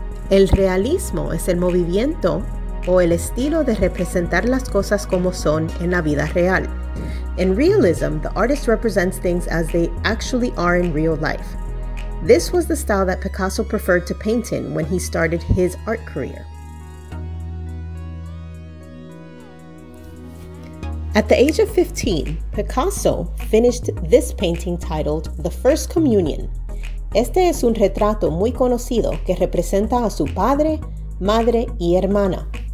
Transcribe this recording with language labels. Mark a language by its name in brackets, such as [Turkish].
[Spanish] El realismo es el movimiento o el estilo de representar las cosas como son en la vida real. [English] In realism, the artist represents things as they actually are in real life. This was the style that Picasso preferred to paint in when he started his art career. At the age of 15, Picasso finished this painting titled The First Communion. [Spanish] Este es un retrato muy conocido que representa a su padre, madre y hermana.